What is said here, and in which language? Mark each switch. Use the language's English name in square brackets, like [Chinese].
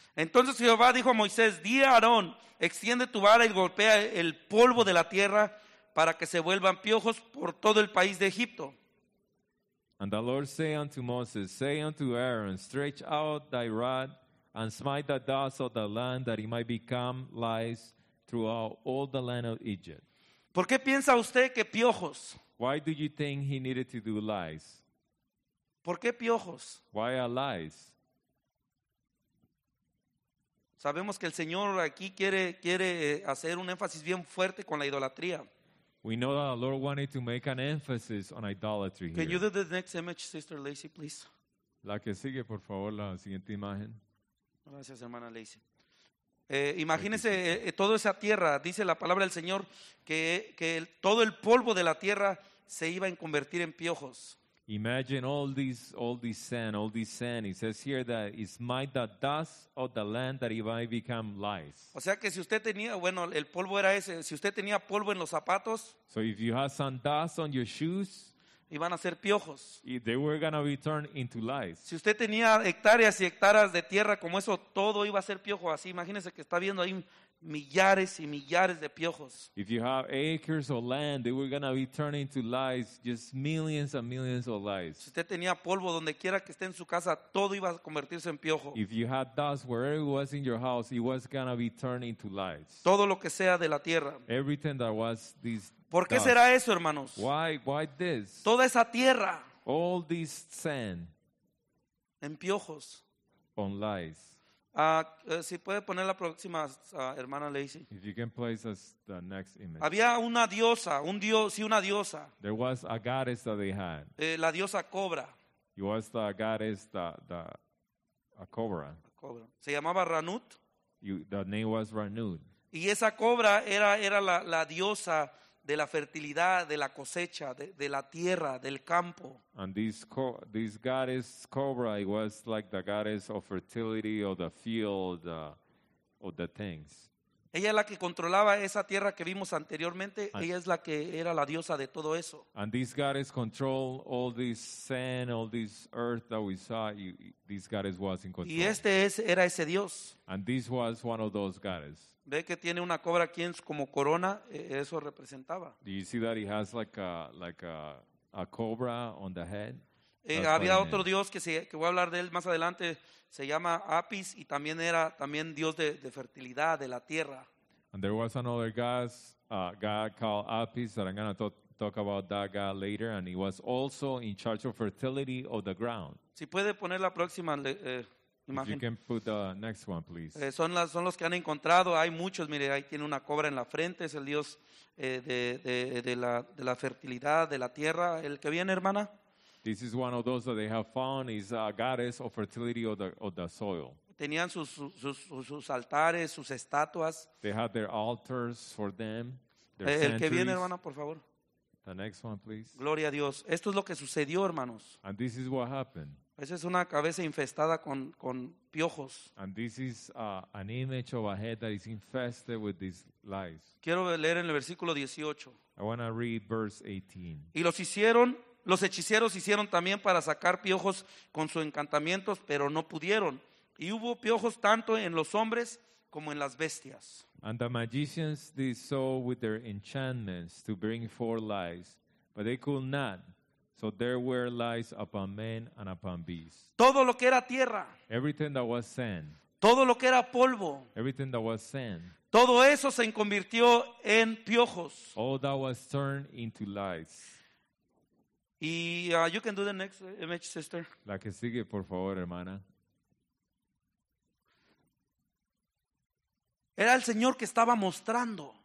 [Spanish] Entonces Jehová dijo a Moisés, di a Aarón, extiende tu vara y golpea el polvo de la tierra para que se vuelvan piojos por todo el país de Egipto. [English] And the Lord said unto Moses, say unto Aaron, stretch out thy rod and smite the dust of the land that it might become lice throughout all the land of Egypt. [Spanish] ¿Por qué piensa usted que piojos? [English] Why do you think he needed to do lice? [Spanish] ¿Por qué piojos? [English] Why are lice? [Spanish] Sabemos que el Señor aquí quiere hacer un énfasis bien fuerte con la idolatría. [English] We know that the Lord wanted to make an emphasis on idolatry here. Can you do the next image, Sister Lacey, please? [Spanish] La que sigue, por favor, la siguiente imagen. Gracias, hermana Lacey. Imagínese toda esa tierra, dice la palabra del Señor, que todo el polvo de la tierra se iba a convertir en piojos. [English] Imagine all this sand. It says here that it's might the dust of the land that it might become lice. [Spanish] O sea que si usted tenía, bueno, el polvo era ese. Si usted tenía polvo en los zapatos, [English] so if you have some dust on your shoes, [Spanish] iban a ser piojos. [English] They were gonna be turned into lice. [Spanish] Si usted tenía hectáreas y hectáreas de tierra como eso, todo iba a ser piojo. Así, imagínese que está viendo ahí millares y millares de piojos. [English] If you have acres of land, they were gonna be turned into lice, just millions and millions of lice. [Spanish] Si usted tenía polvo donde quiera que esté en su casa, todo iba a convertirse en piojo. [English] If you had dust wherever it was in your house, it was gonna be turned into lice. [Spanish] Todo lo que sea de la tierra. [English] Everything that was this. [Spanish] ¿Por qué [English] dust. [Spanish] Será eso, hermanos? [English] Why this? [Spanish] Toda esa tierra. [English] All this sand. [Spanish] En piojos. [English] On lice. [Spanish] Si puede poner la próxima, hermana Lacey. [English] If you can place us the next image. [Spanish] Había una diosa, un dios, sí, una diosa. [English] There was a goddess that they had. [Spanish] La diosa cobra. [English] It was the goddess, a cobra. [Spanish] Cobra. Se llamaba Ranut. [English] The name was Ranut. [Spanish] Y esa cobra era la diosa de la fertilidad, de la cosecha, de la tierra, del campo. [English] And this goddess cobra, it was like the goddess of fertility, of the field, of the things. [Spanish] Ella es la que controlaba esa tierra que vimos anteriormente. And ella es la que era la diosa de todo eso. [English] And this goddess controlled all this sand, all this earth that we saw. This goddess was in control. [Spanish] Y este era ese dios. [English] And this was one of those goddesses. [Spanish] Ve que tiene una cobra aquí como corona, eso representaba. [English] Do you see that he has like a cobra on the head? [Spanish] Había otro dios que voy a hablar de él más adelante, se llama Apis y también era también dios de fertilidad de la tierra. [English] And there was another god called Apis that I'm going to talk about that god later, and he was also in charge of fertility of the ground. [Spanish] Si puede poner la próxima imagine. [English] If you can put the next one, please. [Spanish] Son los que han encontrado. Hay muchos. Mire, ahí tiene una cobra en la frente. Es el dios de la fertilidad de la tierra. El que viene, hermana. [English] This is one of those that they have found. Is a goddess of fertility of the soil. [Spanish] Tenían sus altares, sus estatuas. [English] They had their altars for them. Their [Spanish] el centuries. Que viene, hermana, por favor. [English] The next one, please. [Spanish] Gloria a Dios. Esto es lo que sucedió, hermanos. [English] And this is what happened. [Spanish] Esa es una cabeza infestada con piojos. [English] And this is an image of a head that is infested with these lice. [Spanish] Quiero leer en el versículo 18. [English] I want to read verse 18. [Spanish] Y los hechiceros hicieron también para sacar piojos con sus encantamientos, pero no pudieron. Y hubo piojos tanto en los hombres como en las bestias. [English] And the magicians did so with their enchantments to bring forth lice, but they could not. So there were lice upon men and upon beasts. [Spanish] Todo lo que era tierra. [English] Everything that was sand. [Spanish] Todo lo que era polvo. [English] Everything that was sand. [Spanish] Todo eso se convirtió en piojos. [English] All that was turned into lice. Y you can do the next image, sister. [Spanish] La que sigue, por favor, hermana. Era el Señor que estaba mostrando.